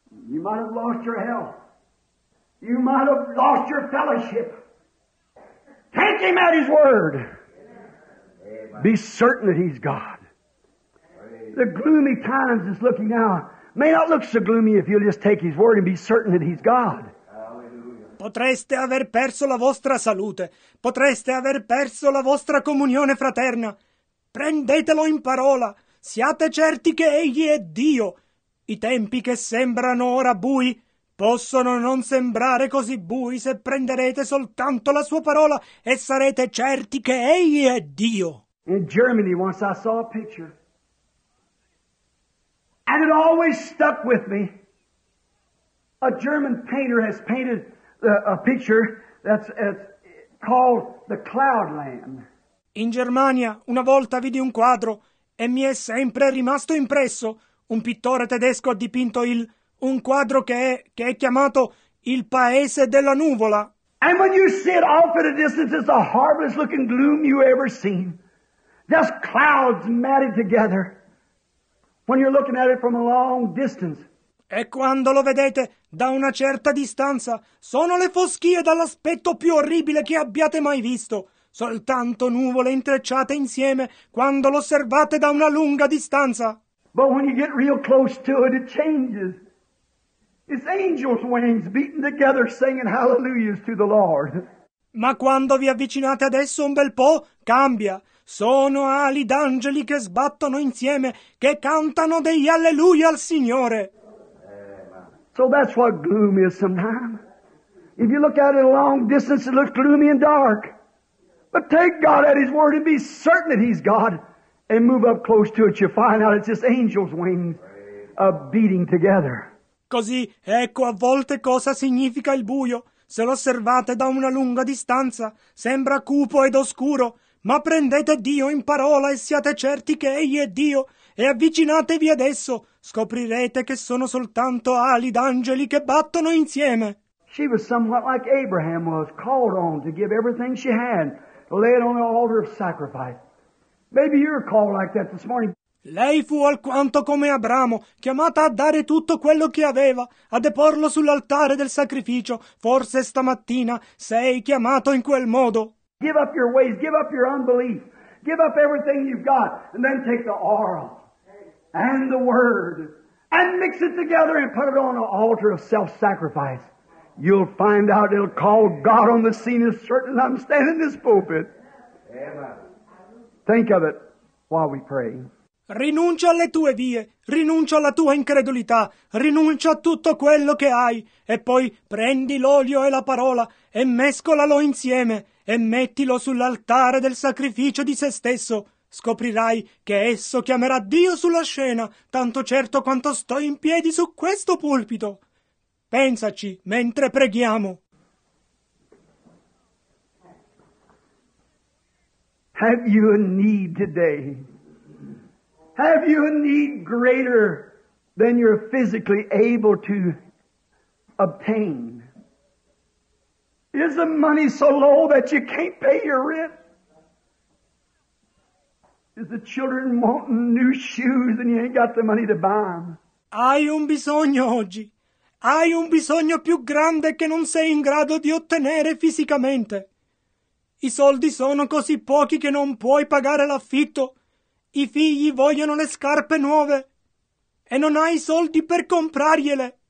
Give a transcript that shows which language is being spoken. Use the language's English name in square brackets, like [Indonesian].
[English] You might have lost your health. You might have lost your fellowship. Take Him at His word. Amen. Be certain that He's God. Amen. The gloomy times that's looking now may not look so gloomy if you'll just take His word and be certain that He's God. [Italian] Potreste aver perso la vostra salute. Potreste aver perso la vostra comunione fraterna. Prendetelo in parola. Siate certi che Egli è Dio. I tempi che sembrano ora bui possono non sembrare così bui se prenderete soltanto la sua parola e sarete certi che Egli è Dio. [English] In Germany once I saw a picture and it always stuck with me. A German painter has painted a picture that's called the Cloudland. [Italian] In Germania una volta vidi un quadro e mi è sempre rimasto impresso. Un pittore tedesco ha dipinto un quadro che è chiamato Il paese della nuvola. [English] And when you see it off at a distance, it's the horriblest looking gloom you ever seen. Just clouds matted together. When you're looking at it from a long distance. [Italian] E quando lo vedete da una certa distanza, sono le foschie dall'aspetto più orribile che abbiate mai visto. Soltanto nuvole intrecciate insieme quando lo osservate da una lunga distanza. [English] But when you get real close to it, it changes. It's angels' wings beating together, singing hallelujahs to the Lord. [Italian] Ma quando vi avvicinate adesso un bel po', cambia. Sono ali d'angeli che sbattono insieme, che cantano degli alleluia al Signore. [English] So that's what gloom is sometimes. If you look at it a long distance, it looks gloomy and dark. But take God at His word and be certain that He's God, and move up close to it, you find out it's just angels' wings beating together. [Italian] Così, ecco a volte cosa significa il buio. Se lo osservate da una lunga distanza, sembra cupo ed oscuro. Ma prendete Dio in parola e siate certi che Egli è Dio. E avvicinatevi adesso, scoprirete che sono soltanto ali d'angeli che battono insieme. [English] She was somewhat like Abraham was, called on to give everything she had, lay it on the altar of sacrifice. Maybe you're called like that this morning. [Italian] Lei fu alquanto come Abramo, chiamata a dare tutto quello che aveva, a deporlo sull'altare del sacrificio. Forse stamattina sei chiamato in quel modo. [English] Give up your ways, give up your unbelief, give up everything you've got, and then take the oil and the word and mix it together and put it on the altar of self-sacrifice. You'll find out it'll call God on the scene as certain as I'm standing in this pulpit. Amen. Think of it while we pray. [Italian] Rinuncia alle tue vie, rinuncia alla tua incredulità, rinuncia a tutto quello che hai, e poi prendi l'olio e la parola e mescolalo insieme e mettilo sull'altare del sacrificio di se stesso. Scoprirai che esso chiamerà Dio sulla scena, tanto certo quanto sto in piedi su questo pulpito. Pensaci mentre preghiamo. [English] Have you a need today? Have you a need greater than you're physically able to obtain? Is the money so low that you can't pay your rent? Is the children wanting new shoes and you ain't got the money to buy them? [Italian] Hai un bisogno oggi. Hai un bisogno più grande che non sei in grado di ottenere fisicamente. I soldi sono così pochi che non puoi pagare l'affitto. I figli vogliono le scarpe nuove e non hai soldi per compragliele.